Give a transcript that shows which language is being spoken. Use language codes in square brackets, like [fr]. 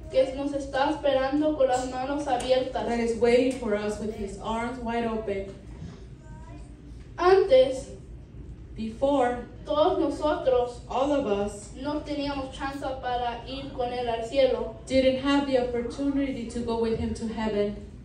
[es] que nos está esperando con las manos abiertas, [en] that is waiting for us with his arms wide open. [es] Antes, [en] before, [es] todos nosotros, [en] all of us, [es] no teníamos chance para ir con él al cielo, [en] didn't have the opportunity to go with him to heaven.